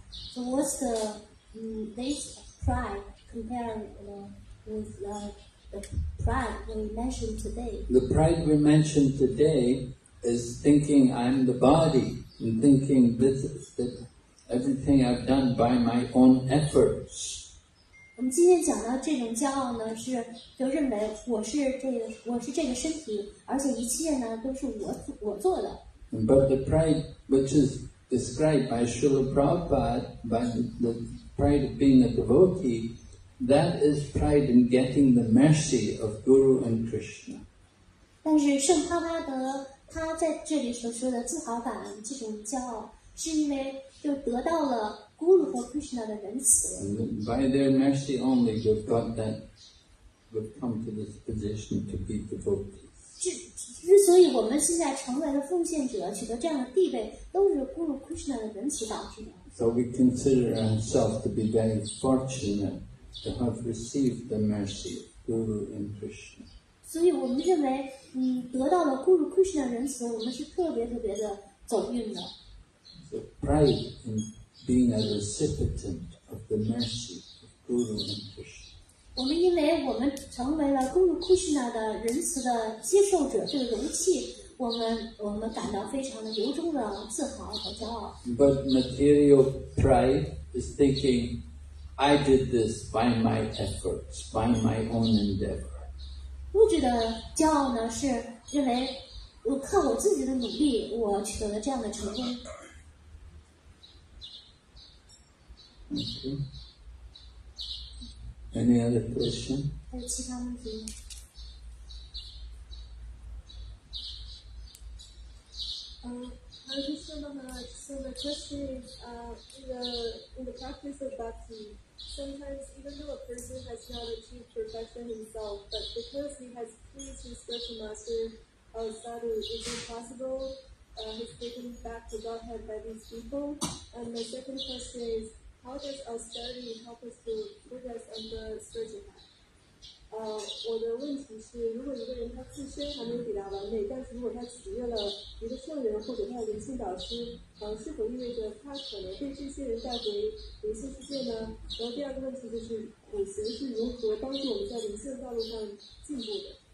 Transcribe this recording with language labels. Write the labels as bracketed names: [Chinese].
[English] So what's the base of pride compared with the pride we mentioned today? The pride we mentioned today is thinking I'm the body and thinking this is the, everything I've done by my own efforts. [Chinese] 我们今天讲到这种骄傲呢，是就认为我是这个身体，而且一切呢都是我做的。 [English] But the pride which is described by Srila Prabhupada, by the pride of being a devotee, that is pride in getting the mercy of Guru and Krishna. [Chinese] 但是圣帕巴德他在这里所说的自豪感，这种骄傲，是因为就得到了。 [English] Guru and Krishna [Chinese] 的仁慈。 [English] By their mercy only, we've got that, we've come to this position to be devotees. [Chinese] 之所以我们现在成为了奉献者，取得这样的地位，都是 Guru and Krishna 的仁慈导致的。 [English] So we consider ourselves to be very fortunate to have received the mercy of Guru and Krishna. [Chinese] 所以我们认为，得到了 Guru and Krishna 的仁慈，我们是特别的走运的。 [English] So pride in being a recipient of the mercy of Guru and Krishna. [Chinese] 我们因为我们成为了 Guru Krishna 的仁慈的接受者，这个容器，我们感到非常的由衷的自豪和骄傲。 [English] But material pride is thinking, I did this by my efforts, by my own endeavor. [Chinese] 物质的骄傲呢，是认为我靠我自己的努力，我取得了这样的成功。 [English] Okay. Any other question? [Chinese] 还有其他问题吗？ [English] So the question is, in the practice of bhakti, sometimes even though a person has not achieved perfection himself, but because he has pleased his special master, sadhu, is it possible, he's taken back to Godhead by these people? And my second question is,How does austerity help us to progress on the spiritual path? [Chinese] 我的问题是，如果一个人他自身还没有抵达完美，但是如果他取悦了一个圣人或者他的灵性导师，是否意味着他可能被这些人带回灵性世界呢？然后第二个问题就是，苦行是如何帮助我们在灵性道路上进步的？